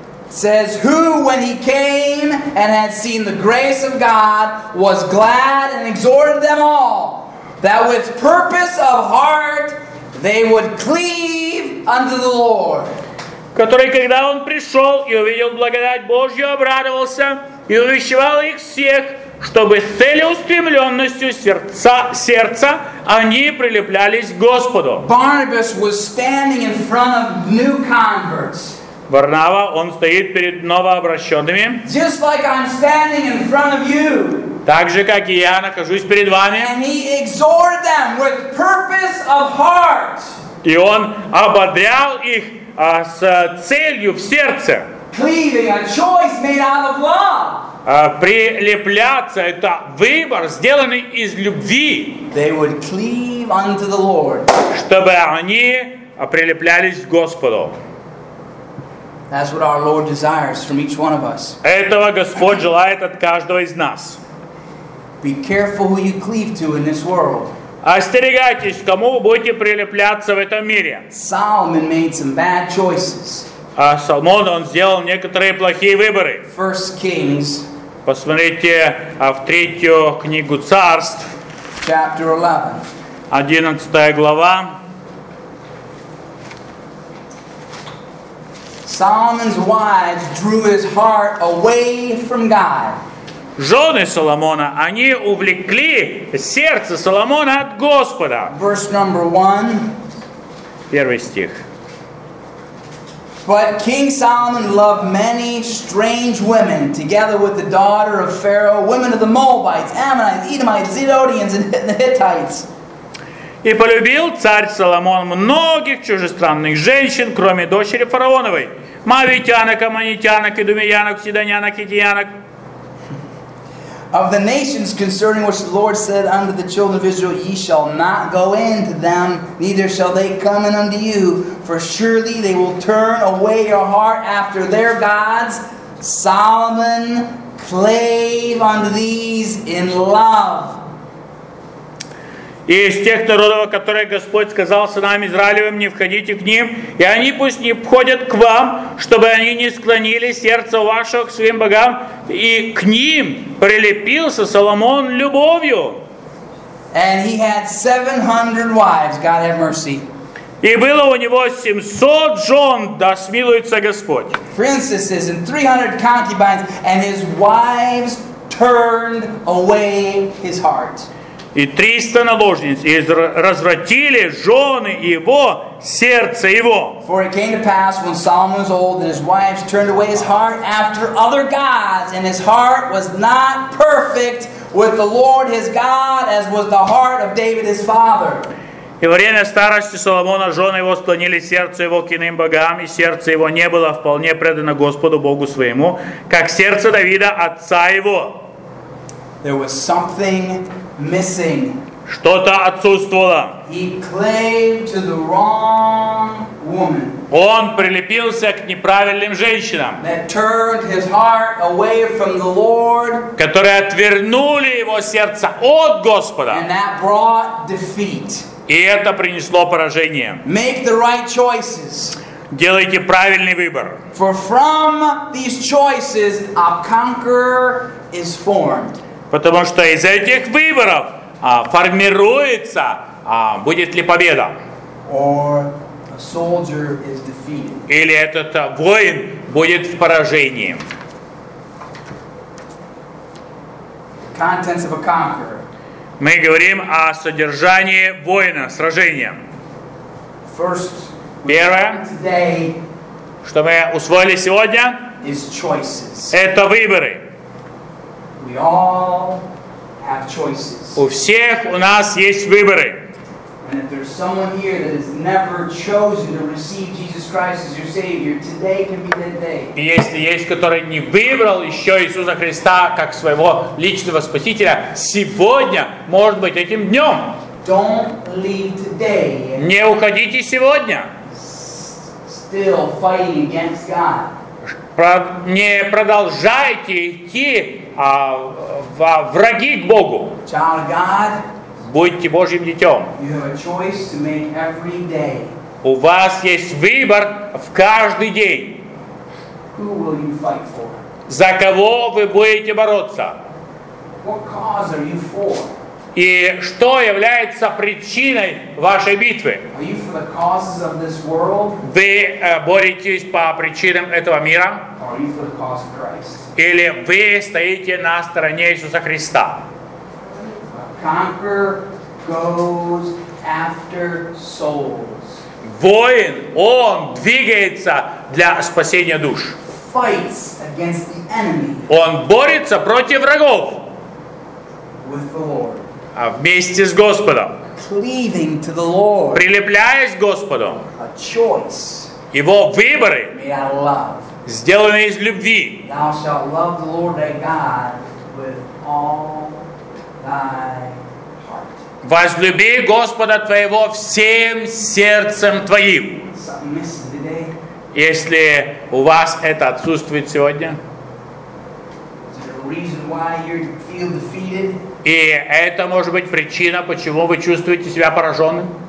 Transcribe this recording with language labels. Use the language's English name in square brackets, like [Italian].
[English] Says who, when he came and had seen the grace of God, was glad and exhorted them all, that with purpose of heart they would cleave unto the Lord. [Russian] Который, когда он пришел и увидел благодать Божью, обрадовался и увещевал их всех, чтобы целеустремленностью сердца они прилеплялись к Господу. [English] Barnabas was standing in front of new converts. [Russian] Варнава, он стоит перед новообращенными. [English] Just like I'm standing in front of you. [Russian] Так же, как и я нахожусь перед вами. [English] And he exhorted them with purpose of heart. [Russian] И он ободрял их с целью в сердце. [English] Cleaving, a choice made out of love. [Russian] Прилепляться – это выбор, сделанный из любви. [English] They would cleave unto the Lord. [Russian] Чтобы они прилеплялись к Господу. [English] That's what our Lord desires from each one of us. [Russian] Этого Господь желает от каждого из нас. [English] Be careful who you cleave to in this world. [Russian] Остерегайтесь, кому вы будете прилепляться в этом мире. [English] Solomon made some bad choices. [Russian] Соломон, он сделал некоторые плохие выборы. [English] First Kings. [Russian] Посмотрите в третью книгу царств. [English] Chapter 11. [Russian] 11 глава. [English] Solomon's wives drew his heart away from God. [Russian] Жены Соломона, они увлекли сердце Соломона от Господа. [English] Verse number 1. [Russian] Первый стих. [English] But King Solomon loved many strange women, together with the daughter of Pharaoh, women of the Moabites, Ammonites, Edomites, Zidonians, and the Hittites. [Russian] И полюбил царь Соломон многих чужестранных женщин, кроме дочери фараоновой, мавитянок, аммонитянок, идумеянок, сидонянок, идиянок. [English] Of the nations concerning which the Lord said unto the children of Israel, ye shall not go into them, neither shall they come in unto you, for surely they will turn away your heart after their gods. Solomon clave unto these in love. [Russian] И из тех народов, которые Господь сказал сынам Израилевым, не входите к ним, и они пусть не входят к вам, чтобы они не склонили сердце ваше к своим богам, и к ним прилепился Соломон любовью. [English] And he had 700 wives, God have mercy. [Russian] И было у него 700 жен, да смилуется Господь. [English] Princesses and 300 concubines, and his wives turned away his heart. [Russian] И 300 наложниц, и развратили жены его, сердце его. [English] For it came to pass, when Solomon was old, and his wives turned away his heart after other gods, and his heart was not perfect with the Lord his God, as was the heart of David his father. [Russian] И во время старости Соломона жены его склонили сердце его к иным богам, и сердце его не было вполне предано Господу Богу своему, как сердце Давида отца его. [English] There was something missing. [Russian] Что-то отсутствовало. [English] He clave to the wrong woman. [Russian] Он прилепился к неправильным женщинам. [English] That turned his heart away from the Lord. [Russian] Которые отвернули его сердце от Господа. [English] And that brought defeat. [Russian] И это принесло поражение. [English] Make the right choices. [Russian] Делайте правильный выбор. [English] For from these choices a conqueror is formed. [Russian] Потому что из этих выборов формируется, будет ли победа. [English] Or a soldier is defeated. [Russian] Или этот воин будет в поражении. [English] Contents of a conqueror. [Russian] Мы говорим о содержании воина, сражения. [English] First, [Russian] первое, [English] today, [Russian] что мы усвоили сегодня, [English] is choices. [Russian] Это выборы. [English] We all have choices. [Russian] У всех у нас есть выборы. [English] And if there's someone here that has never chosen to receive Jesus Christ as your Savior, today can be that day. [Russian] Если есть, который не выбрал еще Иисуса Христа как своего личного спасителя, сегодня может быть этим днем. [English] Don't leave today. [Russian] Не уходите сегодня. [English] Still fighting against God. [Russian] Не продолжайте идти во враги к Богу. [English] Child of God, [Russian] будьте Божьим детем. [English] You have a choice to make every day. [Russian] У вас есть выбор в каждый день. [English] Who will you fight for? [Russian] За кого вы будете бороться? [English] What cause are you for? [Russian] И что является причиной вашей битвы? [English] Are you for the causes of this world? [Russian] Вы боретесь по причинам этого мира? [English] Or are you for the cause of Christ? [Russian] Или вы стоите на стороне Иисуса Христа? [English] A conqueror goes after souls. [Russian] Воин, он двигается для спасения душ. [English] Fights against the enemy. [Russian] Он борется против врагов. [English] With the Lord. [Russian] А вместе с Господом. [English] Cleaving to the Lord. [Russian] Прилепляясь к Господу. [English] A choice. [Russian] Его выборы. [English] Made out of love. [Russian] Сделаны из любви. [English] Thou shalt love the Lord thy God with all thy heart. [Russian] Возлюби Господа твоего всем сердцем твоим. [English] Something missing today. [Russian] Если у вас это отсутствует сегодня. [English] Is there a reason why you feel defeated? [Russian] И это может быть причина, почему вы чувствуете себя пораженным.